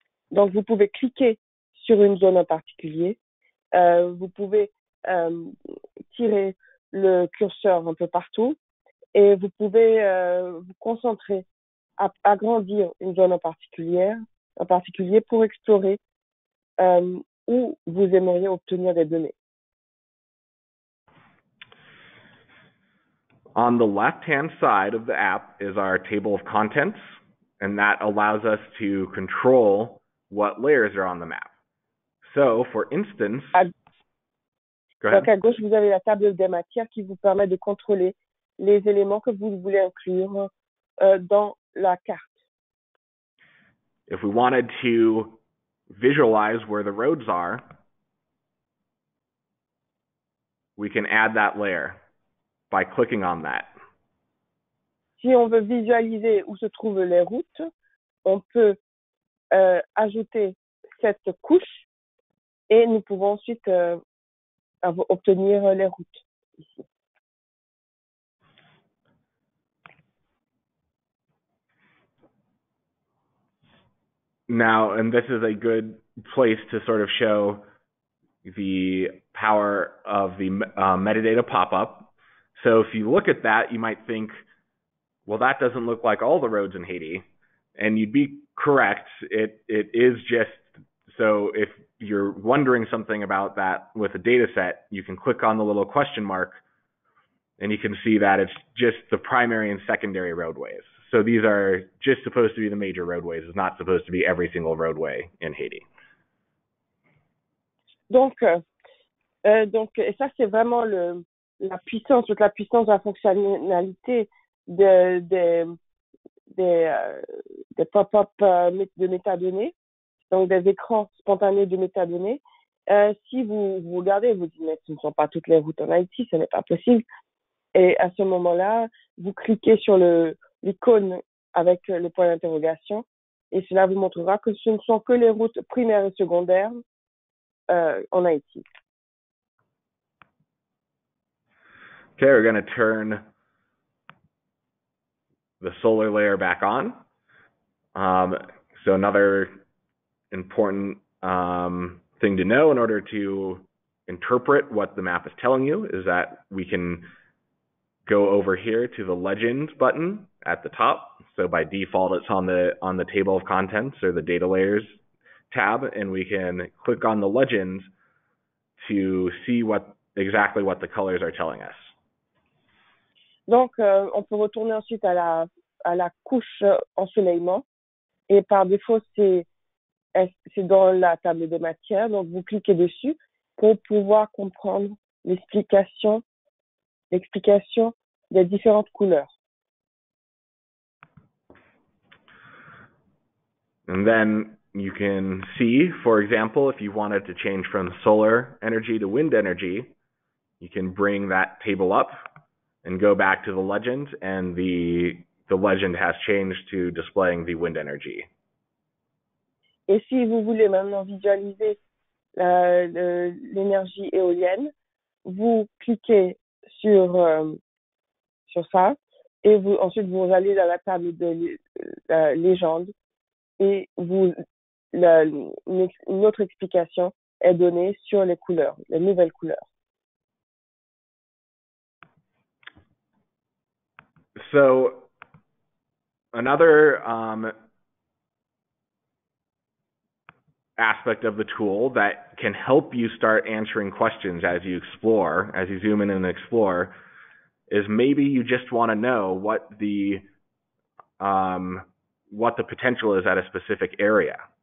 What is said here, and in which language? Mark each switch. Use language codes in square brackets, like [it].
[fr] Donc, vous pouvez cliquer sur une zone en particulier. Vous pouvez tirer le curseur un peu partout et vous pouvez vous concentrer à agrandir une zone en particulier pour explorer où vous aimeriez obtenir des données. [en] On the left-hand side of the app is our table of contents, and that allows us to control what layers are on the map. So, for instance, [fr] donc, à gauche, vous avez la table des matières qui vous permet de contrôler les éléments que vous voulez inclure dans la carte. [en] If we wanted to visualize where the roads are, we can add that layer by clicking on that. [fr] Si on veut visualiser où se trouvent les routes, on peut ajouter cette couche et nous pouvons ensuite obtenir les routes ici. [en] Now, and this is a good place to sort of show the power of the metadata pop-up. So if you look at that, you might think, well, that doesn't look like all the roads in Haiti. And you'd be correct. It is just so if you're wondering something about that with a data set, you can click on the little question mark and you can see that it's just the primary and secondary roadways. So these are just supposed to be the major roadways. It's not supposed to be every single roadway in Haiti. [fr] Donc, et ça, c'est vraiment la puissance, toute la puissance de la fonctionnalité des pop-up de métadonnées. Donc, des écrans spontanés de métadonnées. Si vous regardez, vous dites, mais ce ne sont pas toutes les routes en Haïti, ce n'est pas possible. Et à ce moment-là, vous cliquez sur l'icône avec le point d'interrogation et cela vous montrera que ce ne sont que les routes primaires et secondaires en Haïti. [en] Okay, we're going to turn the solar layer back on. So another important thing to know in order to interpret what the map is telling you is that we can go over here to the legend button at the top. So by default, it's on the table of contents or the data layers tab, and we can click on the legend to see what the colors are telling us. [fr] Donc, on peut retourner ensuite à la couche ensoleillement. Et par défaut, c'est dans la table de matière. Donc, vous cliquez dessus pour pouvoir comprendre l'explication des différentes couleurs. [en] And then you can see, for example, if you wanted to change from solar energy to wind energy, you can bring that table up and go back to the legend, and the legend has changed to displaying the wind energy. [fr] Et si vous voulez maintenant visualiser l'énergie éolienne, vous cliquez sur ça, et ensuite vous allez dans la table de la légende, et une autre explication est donnée sur les couleurs, les nouvelles couleurs. [en] So, another aspect of the tool that can help you start answering questions as you explore, as you zoom in and explore, is maybe you just want to know what the potential is at a specific area.